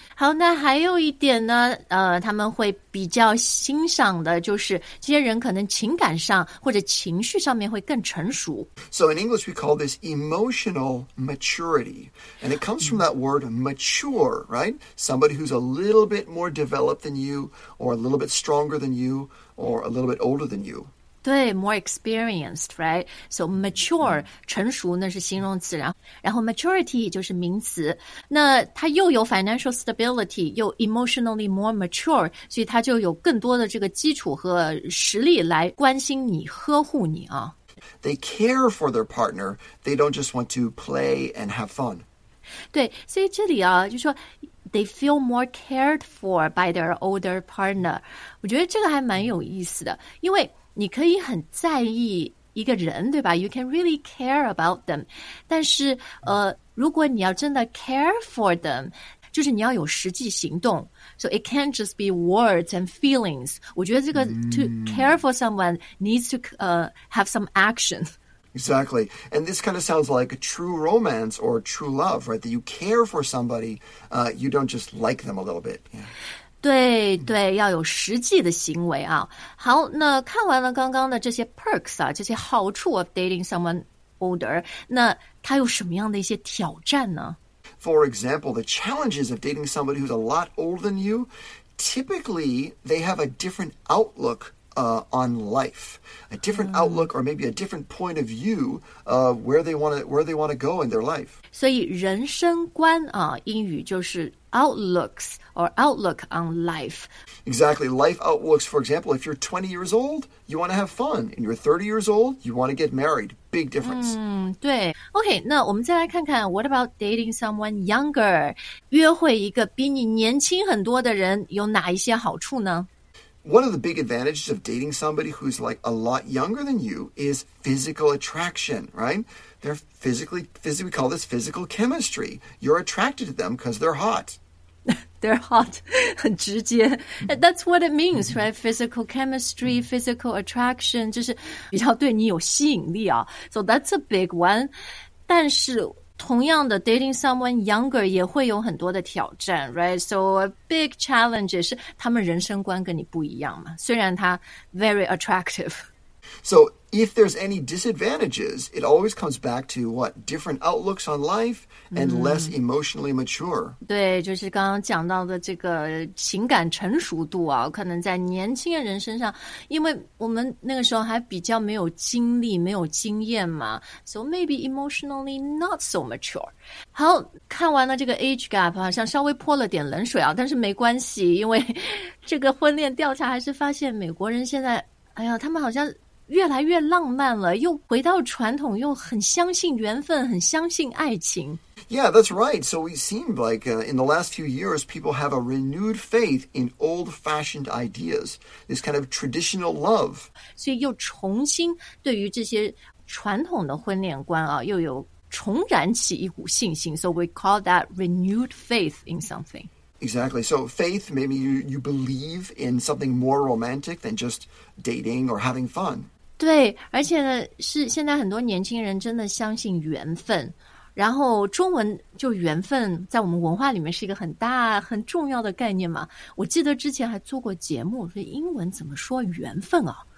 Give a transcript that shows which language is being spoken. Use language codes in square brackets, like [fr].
[zh] 好，那还有一点呢，他们会比较欣赏的就是这些人可能情感上或者情绪上面会更成熟。 [en] So in English we call this emotional maturity, and it comes from that word mature, right? Somebody who's a little bit more developed than you, or a little bit stronger than you. Or a little bit older than you. [zh] 对 [en] more experienced, right? So mature, [zh] 成熟那是形容词，然后 maturity 就是名词。那他又有 financial stability, 又 [en] emotionally more mature, [zh] 所以他就有更多的这个基础和实力来关心你，呵护你啊。 [en] They care for their partner. They don't just want to play and have fun. [zh] 对，所以这里啊，就说。 [en] They feel more cared for by their older partner. [zh] 我觉得这个还蛮有意思的，因为你可以很在意一个人，对吧？ [en] You can really care about them. [zh] 但是，如果你要真的 [en] care for them, [zh] 就是你要有实际行动。 [en] So it can't just be words and feelings. [zh] 我觉得这个 [en] to care for someone needs to have some action. Exactly. And this kind of sounds like a true romance or true love, right? That you care for somebody, you don't just like them a little bit. Yeah. [zh] 对对，要有实际的行为啊。好，那看完了刚刚的这些 perks 啊，这些好处 [en] of dating someone older, [zh] 那它有什么样的一些挑战呢？ [en] For example, the challenges of dating somebody who's a lot older than you, typically they have a different outlook,on life, a different outlook, or maybe a different point of view of where they want to go in their life. [zh] 所以人生观啊，英语就是 [en] outlooks or outlook on life. Exactly, life outlooks. For example, if you're 20 years old, you want to have fun, and you're 30 years old, you want to get married. Big difference. [zh] 对 OK, 那我们再来看看 [en] what about dating someone younger? [zh] 约会一个比你年轻很多的人有哪一些好处呢？ [en] One of the big advantages of dating somebody who's like a lot younger than you is physical attraction, right? They're physically, we call this physical chemistry. You're attracted to them because they're hot. They're hot, [zh] 很直接。 [en] That's what it means, right? [zh] Physical chemistry, physical attraction, 就是比较对你有吸引力啊。 [en] So that's a big one. [zh] 但是同样的 [en] dating someone younger [zh] 也会有很多的挑战 [en] right? So a big challenge is [zh] 他们人生观跟你不一样嘛，虽然他 [en] very attractive. So if there's any disadvantages, it always comes back to what? Different outlooks on life and less emotionally mature. [zh] 对，就是刚刚讲到的这个情感成熟度啊，可能在年轻人身上，因为我们那个时候还比较没有经历，没有经验嘛。 [en] So maybe emotionally not so mature. [zh] 好，看完了这个 age gap, 好像稍微泼了点冷水啊，但是没关系，因为这个婚恋调查还是发现美国人现在，哎呀，他们好像越来越浪漫了，又回到传统，又很相信缘分，很相信爱情。 [en] Yeah, that's right. So it seemed like in the last few years, people have a renewed faith in old-fashioned ideas, this kind of traditional love. [zh] 所以又重新对于这些传统的婚恋观啊，又有重燃起一股信心。 [en] So we call that renewed faith in something. Exactly. So faith, maybe you believe in something more romantic than just dating or having fun. [zh] 对，而且呢，是现在很多年轻人真的相信缘分。然后中文就缘分在我们文化里面是一个很大很重要的概念嘛。我记得之前还做过节目，说英文怎么说缘分啊？